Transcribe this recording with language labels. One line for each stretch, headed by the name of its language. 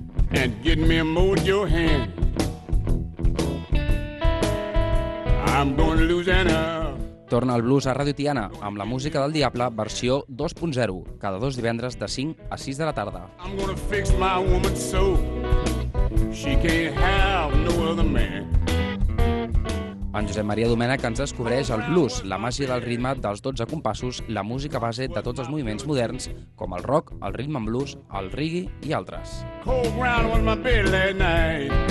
English: And get me a mojo hand. I'm going to Louisiana.
Catalan: Torna el blues a Radio Tiana amb la Música del Diable versió 2.0, cada dos divendres de 5 a 6 de la tarda.
English: I'm going to fix my woman so she can't have no other man.
Catalan: En Josep Maria Domènech ens descobreix el blues, la màgia del ritme dels 12 compassos, la música base de tots els moviments moderns, com el rock, el rhythm and blues, el reggae i altres.
English: Cold ground was my bed last night.